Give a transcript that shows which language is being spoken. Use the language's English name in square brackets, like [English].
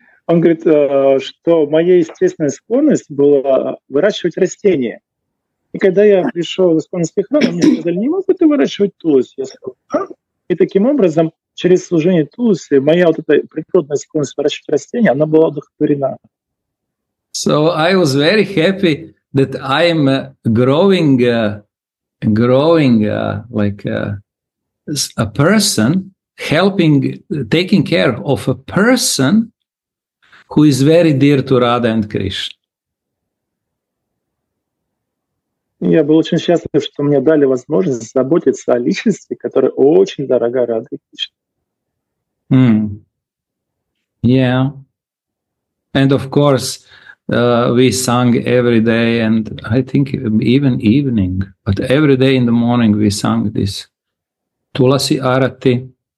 [Russian] Он говорит, что моя естественная склонность была выращивать растения. И когда я пришел в исконный храм, мне сказали, не мог бы ты выращивать Туласи? Я сказал, да. И таким образом, через служение Туласи, моя вот эта природная склонность выращивать растения, она была удовлетворена. [English] So I was very happy that I am growing a person, helping, taking care of a person who is very dear to Radha and Krishna. [Russian] Я был очень счастлив, что мне дали возможность заботиться о личности, которая очень дорога Радхе Кришне. Mm. Yeah. [English] And of course, we sang every day, and I think even evening, but every day in the morning we sang this Tulasi Arati.